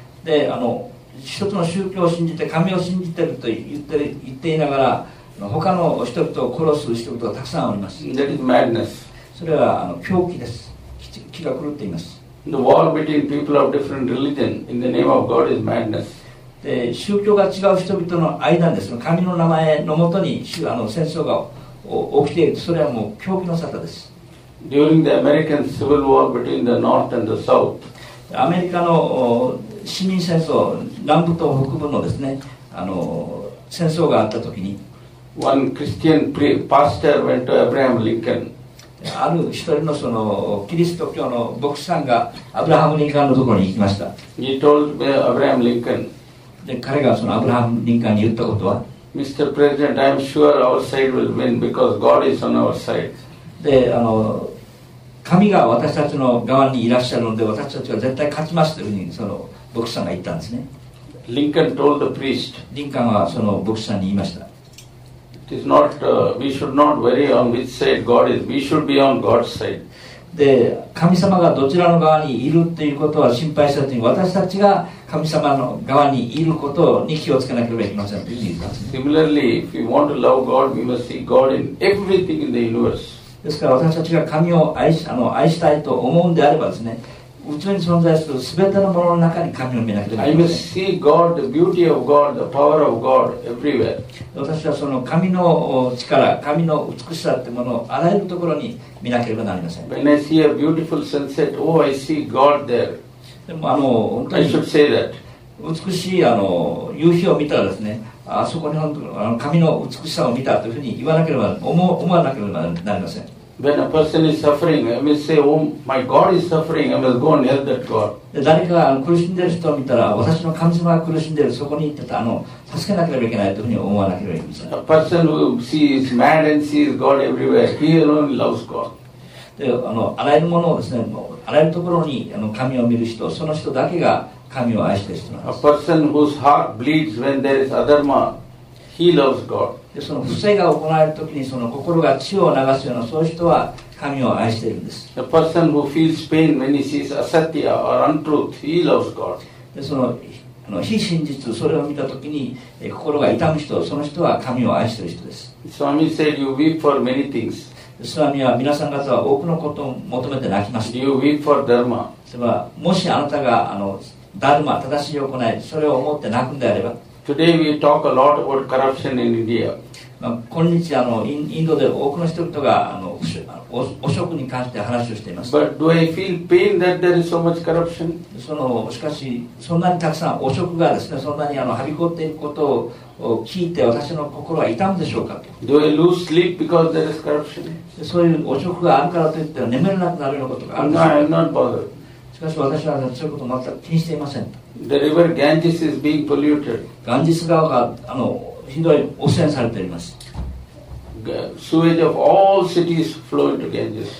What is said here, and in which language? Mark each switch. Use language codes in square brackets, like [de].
[ja] で、一つの宗教を信じて神を信じていると言っていながら、他の人々を殺す人々がたくさんおります。 [en] That is madness. [ja] それは狂気です。気が狂っています。 [en] The war between people of different religion in the name of God is madness. [ja] で、宗教が違う人々の間で、その神の名前のもとに戦争が起きている、それはもう狂気の沙汰です。 [en] During the American Civil War between the North and the South, [ja] アメリカの市民戦争、南部と北部のですね、戦争があったときに、 [en] one Christian pastor went to Abraham Lincoln. [ja] ある一人のそのキリスト教の牧師さんがアブラハム・リンカーンのところに行きました。 [en] He told Abraham Lincoln. [ja] で彼がそのアブラハム・リンカーンに言ったことは、 [en] Mr. President, I am sure our side will win because God is on our side. [ja] で神が私たちの側にいらっしゃるので、私たちは絶対勝ちますというふうにその牧師さんが言ったんですね。 [en] Lincoln told the priest, [ja] リンカーンはその牧師さんに言いました。 [en] It is not, we should not worry on which side God is. We should be on God's side. [ja] で神様がどちらの側にいるということは心配したときに、私たちが神様の側にいることに気をつけなければいけませんというふうに言ったんですね。 [en] Similarly, if we want to love God, we must see God in everything in the universe. [ja] ですから私たちが神を愛したいと思うんであればですね、宇宙に存在する全てのものの中に神を見なければいけません。 [en] I must see God, the beauty of God, the power of God everywhere. [ja] 私はその神の力、神の美しさというものをあらゆるところに見なければなりません。 [en] When I see a beautiful sunset, oh, I see God there. [ja] でも本当に [en] I should say that. [ja] 美しい夕日を見たらですね、あそこに本当に神の美しさを見たというふうに言わなければ、思わなければなりません。 [en] When a person is suffering, I may say, oh, my God is suffering, I must go and help that God. [ja] 誰かが苦しんでいる人を見たら、私の神様が苦しんでいる、そこに行ってた、助けなければいけないというふうに思わなければいけません。 [en] A person who sees man and sees God everywhere, he alone loves God. [ja] で、あらゆるものをですね、あらゆるところに神を見る人、その人だけが神を愛している人なんです。 [en] A person whose heart bleeds when there is adharma,He loves God. [ja] でその不正が行われるときにその心が血を流すようなそういう人は神を愛しているんです。 [en] The person who feels pain when he sees asatya or untruth, he loves God. [ja] でその非真実それを見たときに心が痛む人、その人は神を愛している人です。 [en] Swami said you weep for many things. [ja] Swami は皆さん方は多くのことを求めて泣きます。 [en] You weep for dharma. [ja] でももしあなたがダルマ正しい行いそれを思って泣くんであれば。 [en] Today we talk a lot about corruption in India. [ja] 今日インドで多くの人々が汚職に関して話をしています。 [en] But do I feel pain that there is so much corruption? [ja] しかしそんなにたくさん汚職がですね、そんなにはびこっていることを聞いて私の心は痛むでしょうかと。 [en] Do I lose sleep because there is corruption? [ja] そういう汚職があるからといって眠れなくなるようなことがあるでしょうか。 [en] No, I'm not bothered. [ja] しかし私はそういうことを全く気にしていません。 [en] The river Ganges is being polluted. [ja] ガンジス川がひどい汚染されています。 [en] Sewage of all cities flow into Ganges.